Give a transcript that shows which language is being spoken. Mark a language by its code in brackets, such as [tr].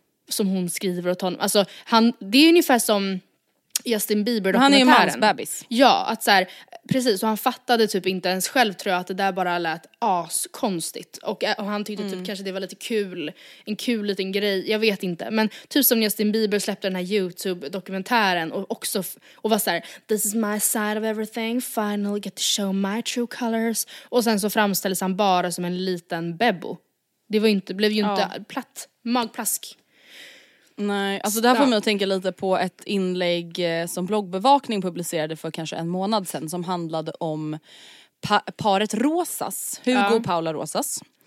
[sv] Som hon skriver åt honom. Alltså, det är ungefär som Justin Bieber-dokumentären. Han är ju mans bebis. Ja, att så här, precis. Och han fattade typ inte ens själv, tror jag, att det där bara lät askonstigt. Och han tyckte typ kanske det var lite kul. En kul liten grej, jag vet inte. Men typ som Justin Bieber släppte den här YouTube-dokumentären. Och var så här, [en] this is my side of everything. Finally get to show my true colors. [sv] Och sen så framställdes han bara som en liten bebbo. Det var inte, blev ju inte platt. Magplask. Nej, alltså det här får mig att tänka lite på ett inlägg som bloggbevakning publicerade för kanske en månad sedan som handlade om paret Rosas, Hugo och Paula Rosas.